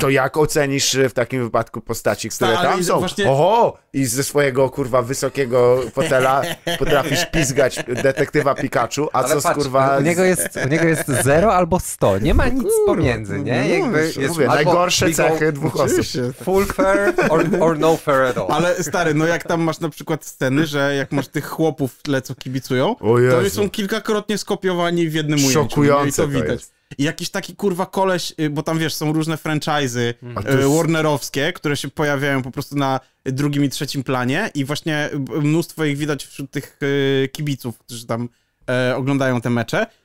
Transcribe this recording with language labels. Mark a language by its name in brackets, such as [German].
[Polish] To jak ocenisz w takim wypadku postaci, które tam są? Właśnie... Oho! I ze swojego, kurwa, wysokiego fotela potrafisz pizgać detektywa Pikachu, a ale co patrz, z kurwa... u niego jest 0 albo 100, nie ma nic kurwa, pomiędzy, nie? Jakby jest mówię, najgorsze cechy dwóch osób. [English] Full fair or no fair at all. [Polish] Ale stary, no jak tam masz na przykład sceny, że jak masz tych chłopów w tle, co kibicują, to oni są kilkakrotnie skopiowani w jednym ujęciu. Szokujące i to widać. Jest. I jakiś taki kurwa koleś, bo tam wiesz, są różne franchise'y warnerowskie, które się pojawiają po prostu na drugim i trzecim planie i właśnie mnóstwo ich widać wśród tych kibiców, którzy tam oglądają te mecze.